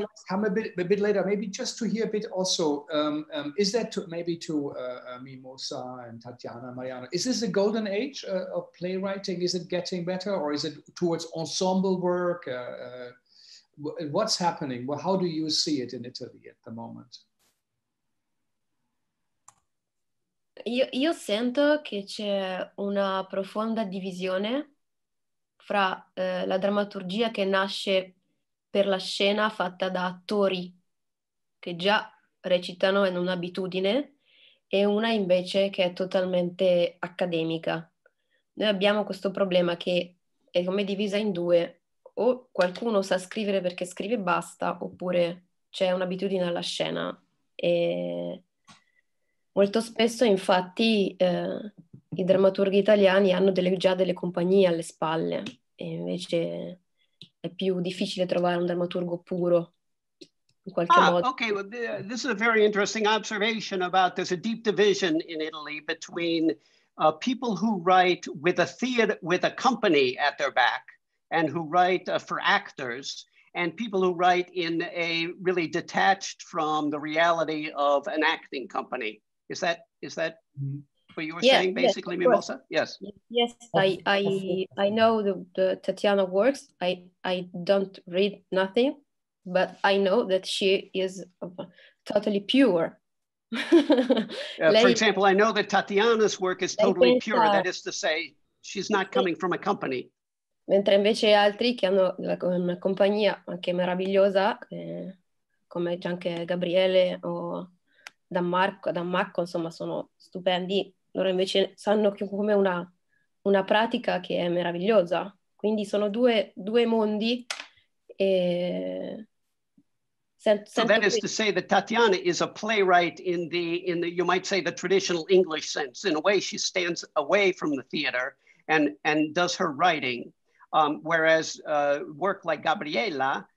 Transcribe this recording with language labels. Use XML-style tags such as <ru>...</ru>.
<en>Well, come a bit later, maybe just to hear a bit also. Is that to Mimosa and Tatjana, Mariano? Is this a golden age of playwriting? Is it getting better, or is it towards ensemble work? What's happening? Well, how do you see it in Italy at the moment?</en> <it>Io sento che c'è una profonda divisione fra la drammaturgia che nasce per la scena fatta da attori che già recitano in un'abitudine e una invece che è totalmente accademica. Noi abbiamo questo problema che è come divisa in due: o qualcuno sa scrivere perché scrive e basta, oppure c'è un'abitudine alla scena e... Molto spesso, infatti, i drammaturghi italiani hanno già delle compagnie alle spalle e invece è più difficile trovare un drammaturgo puro in qualche modo.</it> <en>Okay, well, this is a very interesting observation about there's a deep division in Italy between people who write with a theater, with a company at their back, and who write for actors, and people who write in a really detached from the reality of an acting company. Is that what you were saying, basically, yes, Mimosa? Yes. Yes, I know the Tatjana works. I don't read nothing, but I know that she is totally pure. For example, I know that Tatjana's work is totally pure. That is to say, she's not coming from a company.</en> <it>Mentre invece altri che hanno una compagnia anche meravigliosa, come anche Gabriele o... Dammacco, insomma, sono stupendi. Loro invece sanno che come una pratica che è meravigliosa. Quindi sono due mondi. E...</it> <en>So that is to say that Tatjana is a playwright in the you might say the traditional English sense. In a way, she stands away from the theater and does her writing, whereas work like Gabriele.</en>